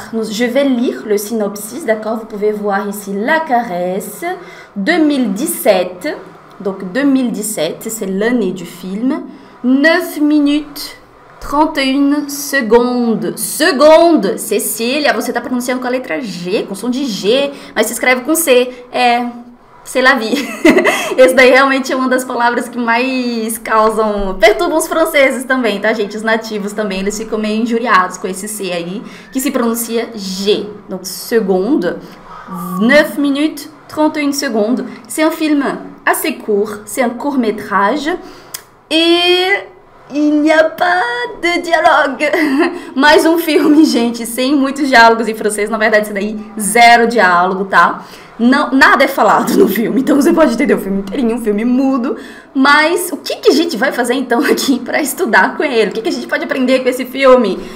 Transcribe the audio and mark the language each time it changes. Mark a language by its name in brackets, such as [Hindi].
[French] Je vais lire le synopsis, d'accord? Vous pouvez voir ici La Caresse, 2017. Donc 2017, c'est l'année du film. 9 minutes 31 secondes. [Portuguese] Seconde, Cécilia, você tá pronunciando com a letra G, com som de G, mas se escreve com C. É, [French] c'est la vie. [Portuguese] Esse daí realmente é uma das palavras que mais causam, perturbam os franceses também, tá, gente? Os nativos também, eles ficam meio injuriados com esse C aí, que se pronuncia G. [French] Donc, seconde, 9 minutes 31 secondes. C'est un film assez court, c'est un court-métrage. Et il n'y a pas de dialogue. [Portuguese] Mais um filme, gente, sem muitos diálogos em francês. Na verdade, isso daí, zero diálogo, tá? Não, nada é falado no filme, então você pode entender o filme inteirinho, um filme mudo. Mas o que, que a gente vai fazer então aqui pra estudar com ele? O que, que a gente pode aprender com esse filme?